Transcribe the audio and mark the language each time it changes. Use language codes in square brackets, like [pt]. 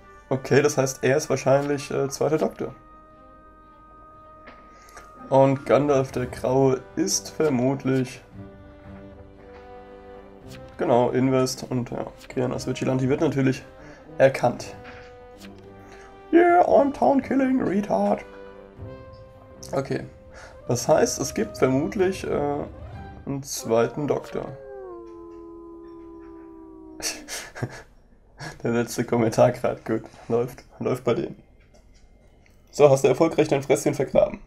[de] Okay, das heißt, er ist wahrscheinlich zweiter Doktor. Und Gandalf der Graue ist vermutlich. Genau, Invest und ja, Kiran aus Vigilante wird natürlich erkannt. [en] Yeah, I'm town killing, retard. [de] Okay, das heißt, es gibt vermutlich einen zweiten Doktor. Der letzte Kommentar gerade, gut, läuft bei denen. So, hast du erfolgreich dein Fresschen vergraben.